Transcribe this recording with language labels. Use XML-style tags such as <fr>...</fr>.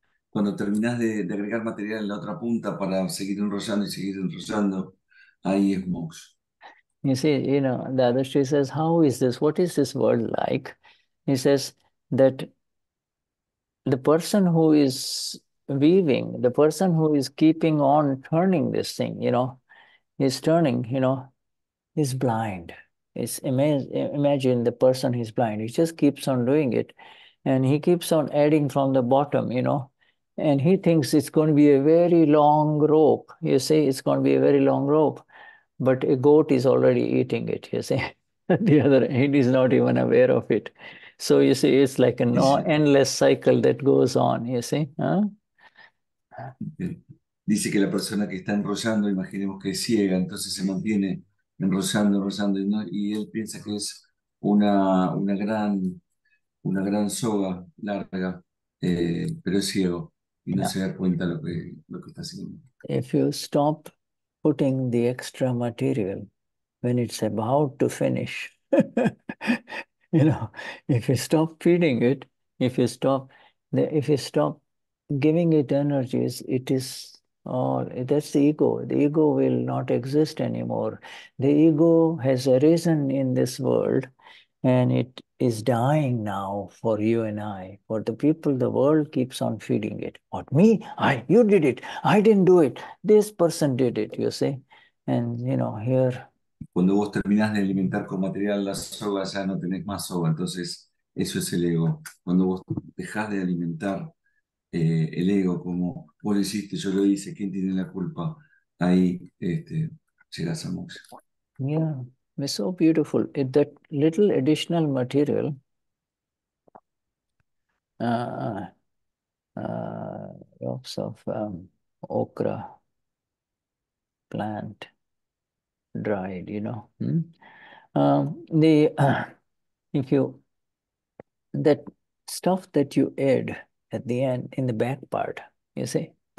<es>cuando terminás de agregar material en la otra punta para seguir enrollando y seguir enrollando, ahí es moksha.</es> <en>You see, Dadashri says, how is this? What is this world like? He says that the person who is weaving, the person who is keeping on turning this thing, is turning, is blind. It's imagine the person is blind. He just keeps on doing it, and he keeps on adding from the bottom, and he thinks it's going to be a very long rope. You see, it's going to be a very long rope, but a goat is already eating it. You see, the other end is not even aware of it. So you see, it's like an endless cycle that goes on, you see.</en> <es>Dice que la persona que está enrollando, imaginemos que es ciega, entonces se mantiene enrollando, enrollando, y, no, y él piensa que es una gran soga larga, pero es ciego y no se da cuenta lo que está haciendo.</es> <en>If you stop putting the extra material when it's about to finish, if you stop feeding it, if you stop giving it energies, it is all, that's the ego. The ego will not exist anymore. The ego has arisen in this world, and it is dying now for you and I. For the people, the world keeps on feeding it. What, me? I? You did it. I didn't do it. This person did it, you see. And here.</en> <es>Cuando vos terminás de alimentar con material la soga, ya no tenés más soga. Entonces, eso es el ego. Cuando vos dejás de alimentar el ego, como vos lo hiciste, yo lo hice, ¿quién tiene la culpa? Ahí llegás a moksha.</es> <en>It's so beautiful. That little additional material, lots of okra plant dried, if you, that stuff that you add at the end in the back part, you see,</en>